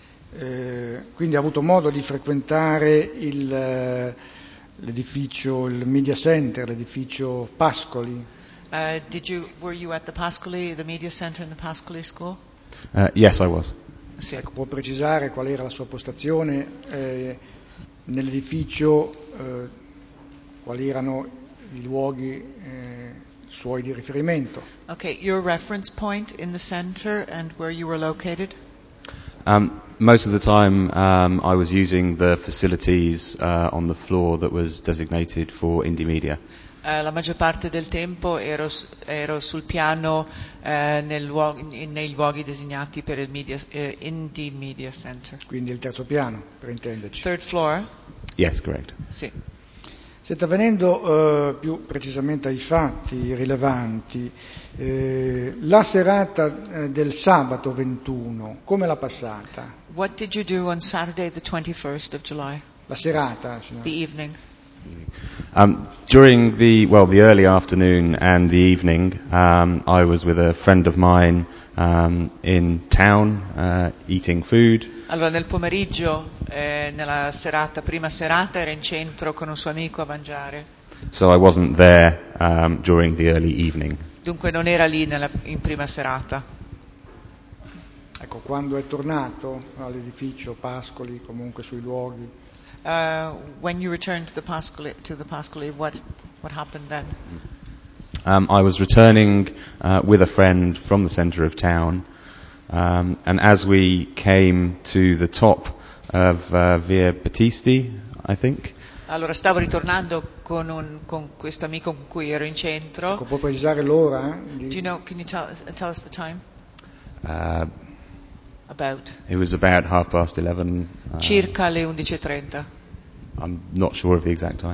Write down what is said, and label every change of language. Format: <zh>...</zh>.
<it>Quindi ha avuto modo di frequentare l'edificio, il Media Center, l'edificio Pascoli.</it> <en>Were you at the Pascoli, the Media Center in the Pascoli School? Yes, I was.</en> <it>Sì. Ecco, può precisare qual era la sua postazione nell'edificio, quali erano i luoghi suoi di riferimento?</it> <en>Okay, your reference point in the center and where you were located? Most of the time I was using the facilities on the floor that was designated for indie media.</en> <it>La maggior parte del tempo ero sul piano nei luoghi designati per il media, indie media center. Quindi il terzo piano, per intenderci.</it> <en>Third floor? Yes, correct.</en> <it>Sì. Senta, venendo più precisamente ai fatti rilevanti, la serata del sabato 21, come l'ha passata?</it> <en>What did you do on Saturday the 21st of July?</en> <it>La serata, signora.</it> <en>The evening. During the early afternoon and the evening, I was with a friend of mine in town eating food.</en> <it>Allora, nel pomeriggio, nella serata, prima serata, era in centro con un suo amico a mangiare.</it> <en>So I wasn't there during the early evening.</en> <it>Dunque non era lì in prima serata. Ecco, quando è tornato all'edificio Pascoli, comunque sui luoghi.</it> <en>When you returned to the Pascoli, what happened then? I was returning with a friend from the center of town. And as we came to the top of Via Battisti, I think.</en> <it>Allora stavo ritornando con questo amico con cui ero in centro. Ecco, può precisare l'ora?</it> <en>Do you know? Can you tell us the time? About. It was about 11:30.</en> <it>Circa le 11:30.</it> <en>I'm not sure of the exact time.</en>